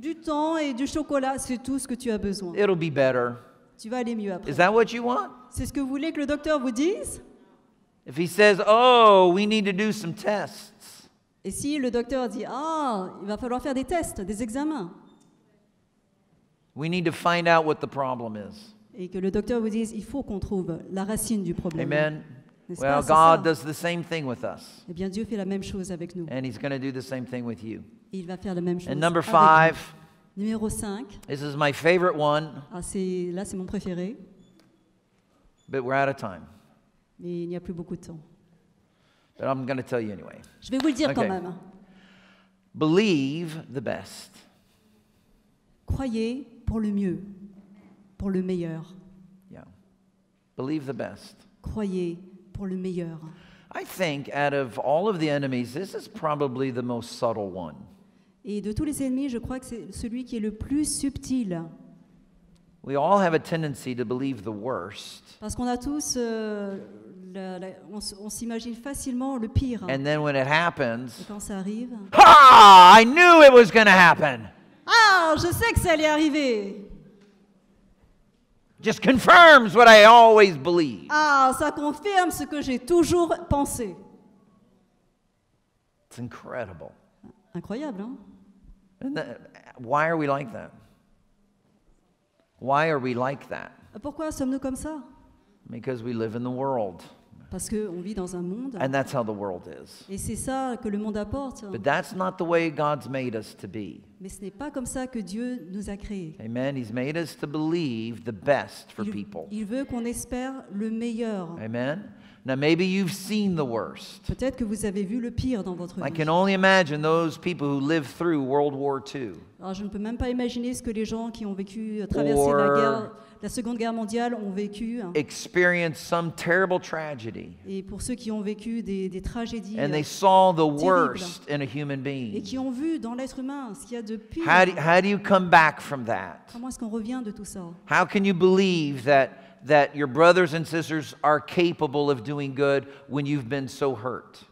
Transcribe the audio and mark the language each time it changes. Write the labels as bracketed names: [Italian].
[French] Du temps et du chocolat, c'est tout ce que tu as besoin. [English] It'll be better. [French] Tu vas aller mieux après. [English] Is that what you want? [French] C'est ce que vous voulez que le docteur vous dise? [English] If he says, "Oh, we need to do some tests." [French] Et si le docteur dit, ah, il va falloir faire des tests, des examens. [English] We need to find out what the problem is. [French] Et que le docteur vous dise, il faut qu'on trouve la racine du problème. [English] Amen. Well, God does the same thing with us. [French] Eh bien, Dieu fait la même chose avec nous. [English] And he's going to do the same thing with you. [French] Et il va faire la même chose. [English] And number five. [French] Numéro 5. [English] This is my favorite one. [French] Ah, c'est mon préféré. [English] But we're out of time. [French] Mais il n'y a plus beaucoup de temps. [English] But I'm going to tell you anyway. [French] Je vais vous le dire okay. quand même. [English] Believe the best. [French] Croyez pour le mieux. Pour le meilleur. [English] Yeah. Believe the best. [French] Croyez pour le meilleur. [English] I think out of all of the enemies, this is probably the most subtle one. [French] Et de tous les ennemis, je crois que c'est celui qui est le plus subtil. [English] We all have a tendency to believe the worst. [French] Parce qu'on a tous on s'imagine facilement le pire. [English] And then when it happens, [French] et quand ça arrive, [English] ah, I knew it was going to happen. [French] Ah, je sais que ça allait arriver. [English] Just confirms what I always believed. [French] Ah, ça confirme ce que j'ai toujours pensé. [English] It's incredible. [French] Incroyable, hein? [English] And that, why are we like that? Why are we like that? [French] Pourquoi sommes-nous comme ça? [English] Because we live in the world. [French] Parce que on vit dans un monde. [English] And that's how the world is. [French] Et c'est ça que le monde apporte. [English] But that's not the way God's made us to be. [French] Mais ce n'est pas comme ça que Dieu nous a créé. [English] Amen. He's made us to believe the best for people. [French] Il veut qu'on espère le meilleur. [English] Amen. Now maybe you've seen the worst. [French] Peut-être que vous avez vu le pire dans votre vie. [English] I can only imagine those people who lived through World War II. [French] Alors je ne peux même pas imaginer ce que les gens qui ont vécu traverser la guerre. La Seconde Guerre mondiale ont vécu [English] experienced some terrible tragedy. [French] Et pour ceux qui ont vécu des tragédies [English] and they saw the worst in a human being. [French] Et qui ont vu dans l'être humain ce qu'il y a de pire. [English] How do you come back from that? [French] Comment est-ce qu'on revient de tout ça? [English] How can you believe that your brothers and sisters are capable of doing good when you've been so hurt?